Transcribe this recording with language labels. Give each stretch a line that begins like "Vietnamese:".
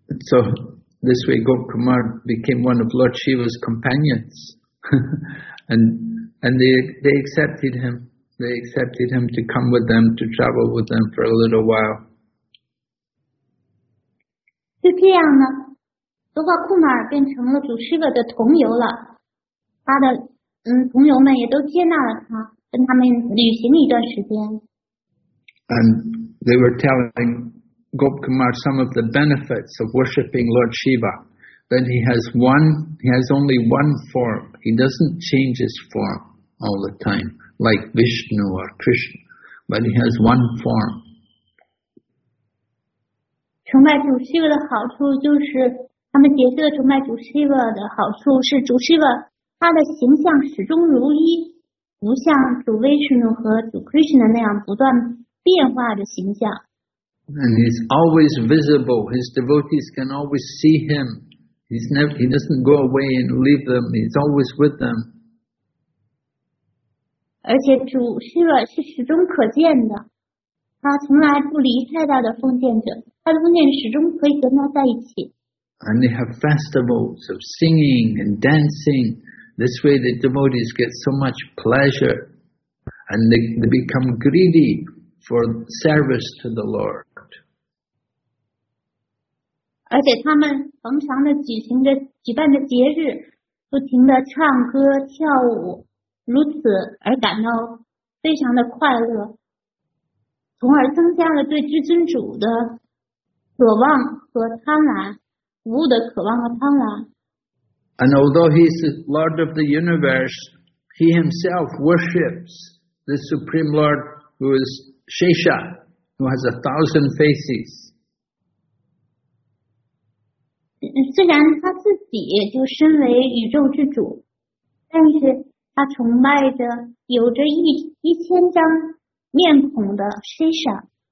English: So this way Gopkumar became one of Lord Shiva's companions. and they accepted him. They accepted him to come with them, to travel with them for a little while.
Chinese: 就这样呢，罗帕库马尔变成了主师傅的同游了，他的同游们也都接纳了他，跟他们旅行一段时间。
English: And they were telling Gopkumar some of the benefits of worshipping Lord Shiva. That he has only one form. He doesn't change his form all the time, like Vishnu or Krishna, but he has one form.
Chinese: 崇拜主 Shiva 的好处就是他们解释了崇拜主 Shiva 的好处是主 Shiva 他的形象始终如一，不像主 Vishnu 和主 Krishna 那样不断变化的形象。
English: And he's always visible. His devotees can always see him. He doesn't go away and leave them. He's always with them.
Chinese: 而且主 Shiva 是始终可见的，他从来不离开他的奉献者。他的奉献始终可以跟他在一起。
English: And they have festivals of singing and dancing. This way the devotees get so much pleasure. And they become greedy for service to the Lord.
Chinese: 而且他们逢常的举办的节日，不停的唱歌跳舞，如此而感到非常的快乐，从而增加了对至尊主的渴望和贪婪，服务的渴望和贪婪。
English: And although he is the Lord of the universe, he himself worships the Supreme Lord who is Shesha, who has 1,000 faces.
Chinese: 虽然他自己就身为宇宙之主，但是他崇拜着有着1,000张面孔的 Shesha.